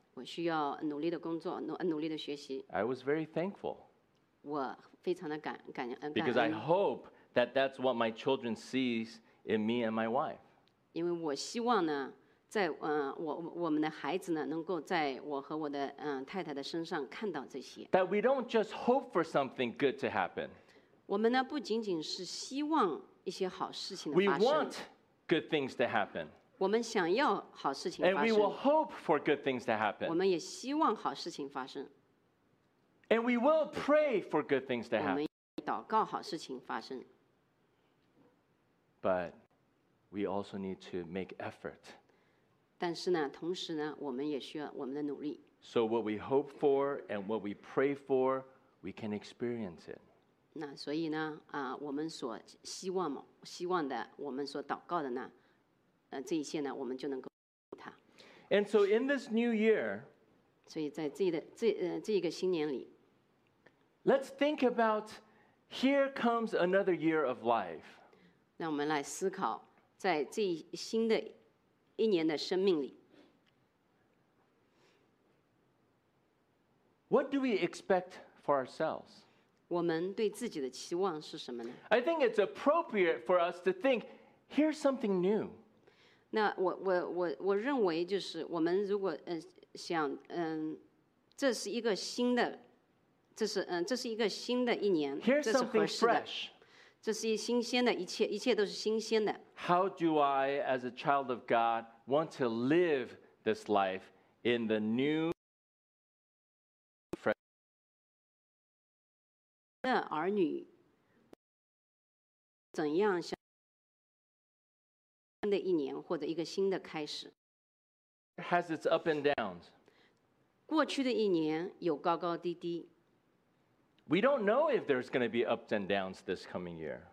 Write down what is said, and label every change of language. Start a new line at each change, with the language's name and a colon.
Chinese: 我需要努力的工作，努力的学习。
English: I was very thankful.
Chinese: 我非常的感恩。
English: Because I hope that that's what my children see in me and my wife.
Chinese: 因为我希望呢，在我们的孩子呢，能够在我和我的太太的身上看到这些。
English: That we don't just hope for something good to happen.
Chinese: 我们呢不仅仅是希望一些好事情的发生。
English: We want good things to happen.
Chinese: 我们想要好事情发生。
English: And we will hope for good things to happen.
Chinese: 我们也希望好事情发生。
English: And we will pray for good things to happen.
Chinese: 我们祷告好事情发生。
English: But we also need to make effort.
Chinese: 但是呢，同时呢，我们也需要我们的努力。
English: So what we hope for and what we pray for, we can experience it.
Chinese: 那所以呢，我们所希望的，我们所祷告的呢，这一切呢，我们就能够它。
English: And so in this new year,
Chinese: 所以在这一个新年里
English: ，Let's think about here comes another year of life.
Chinese: 让我们来思考，在这新的一年的生命里
English: ，What do we expect for ourselves?
Chinese: 我们对自己的期望是什么呢
English: ？I think it's appropriate for us to think, here's something new.
Chinese: 那我认为就是我们如果想这是一个新的，这是一个新的一年，
English: here's something fresh.
Chinese: 这是一新鲜的，一切都是新鲜的。
English: How do I, as a child of God, want to live this life in the new?
Chinese: 的儿女怎样像新的一年或者一个新的开始
English: has its up and downs
Chinese: 过去的一年有高高低低
English: we don't know if there's going to be ups and downs this coming year